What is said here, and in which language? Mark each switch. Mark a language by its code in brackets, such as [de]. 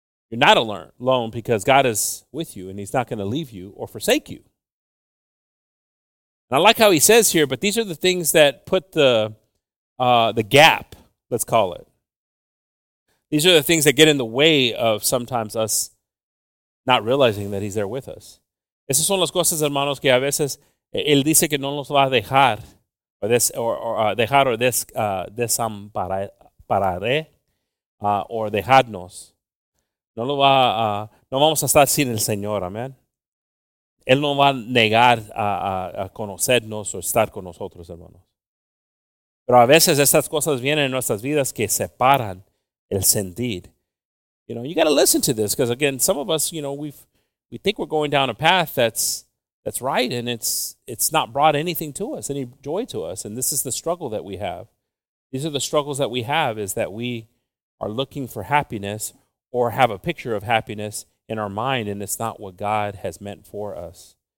[en] You're not alone because God is with you and he's not going to leave you or forsake you. And I like how he says here, but these are the things that put the gap, let's call it. These are the things that get in the way of sometimes us not realizing that he's there with us. [es] Esas son las cosas, hermanos, que a veces él dice que no nos va a dejar o dejarnos. No lo va a, no vamos a estar sin el Señor, amén. Él no va a negar a conocernos o estar con nosotros, hermanos. Pero a veces estas cosas vienen en nuestras vidas que separan el sentir. [en] You know, you got to listen to this because, again, some of us, you know, we think we're going down a path that's right, and it's not brought anything to us, any joy to us, and this is the struggle that we have. These are the struggles that we have, is that we are looking for happiness or have a picture of happiness in our mind, and it's not what God has meant for us.